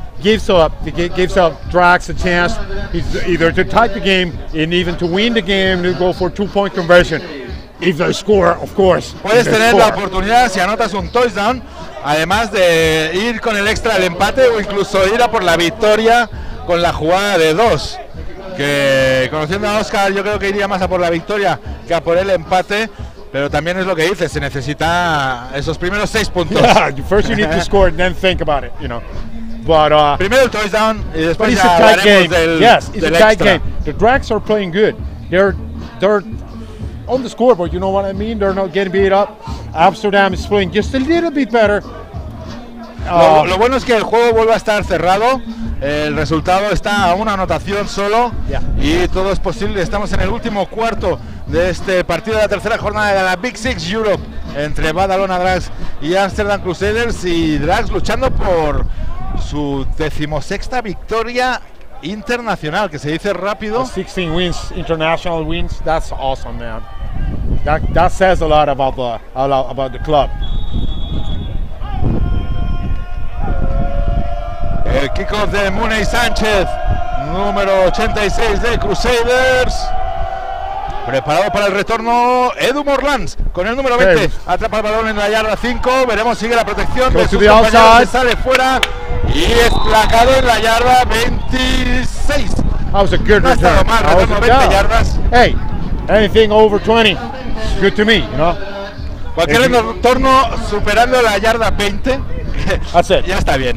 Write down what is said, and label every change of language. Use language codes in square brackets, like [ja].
[en] Gives up Drax a chance either to tie the game and even to win the game to go for 2-point conversion. If they score, of course. [es] Puedes tener la oportunidad si anotas un touchdown, además de ir con el extra al empate o incluso ir a por la victoria con la jugada de dos. Que conociendo a Oscar, yo creo que iría más a por la victoria que a por el empate. Pero también es lo que dices, se necesita esos primeros 6 puntos. [en] Yeah, first you need to score, then think about it, you know. But [es] primero el touchdown y después ya hablaremos del extra. [en] Yes, it's a tight game. The Drags are playing good. They're on the scoreboard, you know what I mean? They're not getting beat up. Amsterdam is playing just a little bit better. [es] Lo bueno es que el juego vuelve a estar cerrado. El resultado está a una anotación solo. Yeah. Y todo es posible. Estamos en el último cuarto de este partido de la tercera jornada de la Big Six Europe entre Badalona Drags y Amsterdam Crusaders, y Drags luchando por su 16ª victoria internacional, que se dice rápido. [en] 16 wins, international wins, that's awesome, man. That says a lot about the club. [es] El kickoff de Muney Sánchez, número 86 de Crusaders. Preparado para el retorno, Edu Morlans con el número 20. Atrapa el balón en la yarda 5. Veremos, sigue la protección de sus compañeros, que sale fuera y es placado en la yarda 26. [en] That was a good return. [es] No ha estado mal, retorno 20 yardas. [en] Hey, anything over 20, good to me, you know? [es] Cualquier retorno superando la yarda 20, ya está bien.